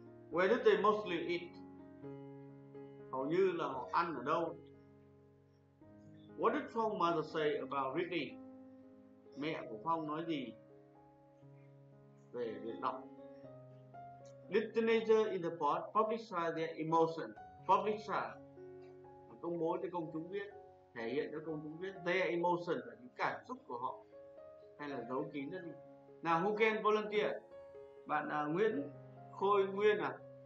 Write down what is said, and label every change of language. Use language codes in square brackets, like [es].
[en] Where did they mostly eat? [vi] Hầu như là họ ăn ở đâu? [en] What did Phong mother say about reading? [vi] Mẹ của Phong nói gì về việc đọc? [en] Did teenagers in the pod publicize their emotion? [vi] Publicize, công bố cho công chúng biết, thể hiện cho công chúng biết their emotion là những cảm xúc của họ, hay là giấu kín đó đi. Nào, [en] who can volunteer? [vi] Bạn Nguyễn Khôi Nguyên à?